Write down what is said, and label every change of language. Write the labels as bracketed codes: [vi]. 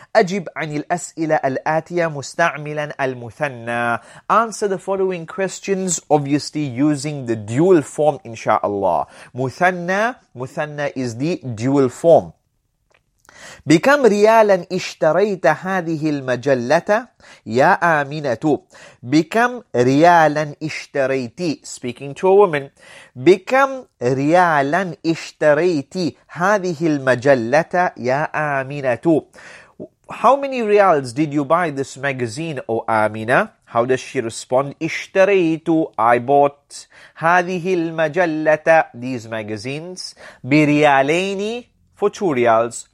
[ar] أجب عن الأسئلة الآتية مستعملا المثنى. [en] Answer the following questions, obviously using the dual form, inshallah. مثنى, مثنى is the dual form. [ar] بكم ريالا اشتريت هذه المجلة يا آمنة بكم ريالا اشتريت [en] speaking to a woman [ar] بكم ريالا اشتريت هذه المجلة يا آمنة [en] how many reals did you buy this magazine oh آمنة how does she respond اشتريت I bought [ar] هذه المجلة [en] these magazines بريالين For 2 reals.